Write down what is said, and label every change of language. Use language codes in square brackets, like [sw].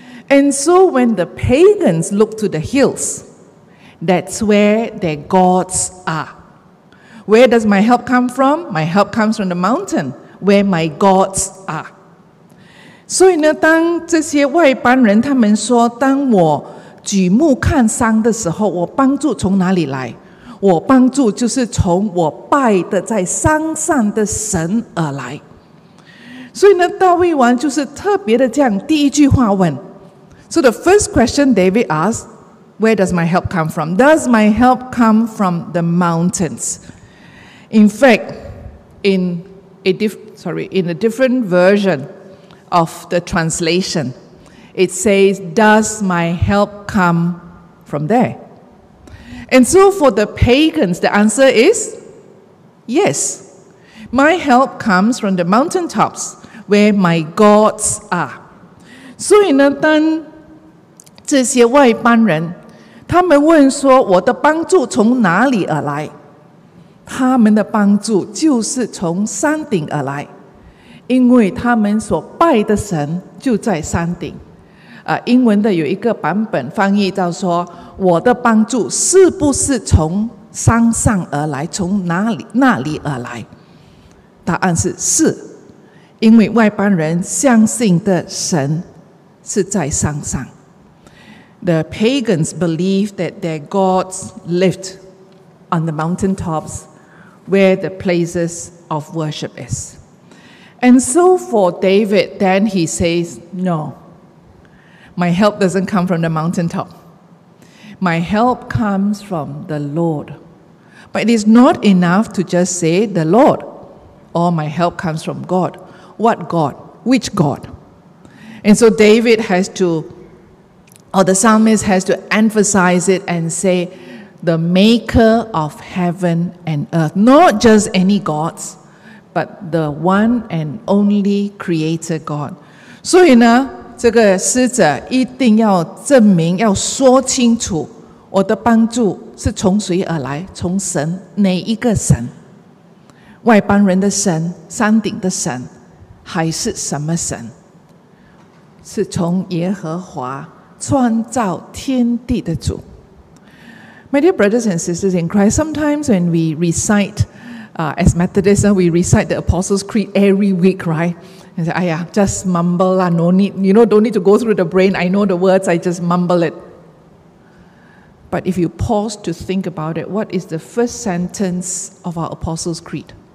[en] And so when the pagans look to the hills, that's where their gods are. Where does my help come from? My help comes from the mountain, where my gods are. [zh] 所以呢，当这些外邦人他们说，当我举目看山的时候，我帮助从哪里来？我帮助就是从我拜的在山上的神而来。所以呢，大卫王就是特别的这样第一句话问。 [en] So the first question David asked, where does my help come from? Does my help come from the mountains? In fact, in a different version of the translation, it says, does my help come from there? And so for the pagans, the answer is, yes. My help comes from the mountaintops where my gods are. [zh] 所以呢，当这些外邦人他们问说，我的帮助从哪里而来？他们的帮助就是从山顶而来，因为他们所拜的神就在山顶。英文的有一个版本翻译到说，我的帮助是不是从山上而来，从哪里那里而来？答案是是，因为外邦人相信的神是在山上。 [en] The pagans believed that their gods lived on the mountaintops where the places of worship is. And so for David, then he says, no, my help doesn't come from the mountaintop. My help comes from the Lord. But it is not enough to just say the Lord, or my help comes from God. What God? Which God? And so David has to Or the psalmist has to emphasize it and say, the maker of heaven and earth. Not just any gods, but the one and only creator God. [zh] 所以呢，这个诗者一定要证明，要说清楚，我的帮助是从谁而来？从神，哪一个神？外邦人的神，山顶的神，还是什么神？是从耶和华创造天地的主。 [en] My dear brothers and sisters in Christ, sometimes when we recite, as Methodists, we recite the Apostles' Creed every week, right? And say, "Aiyah, just mumble lah. No need, you know, don't need to go through the brain. I know the words. I just mumble it." But if you pause to think about it, what is the first sentence of our Apostles' Creed?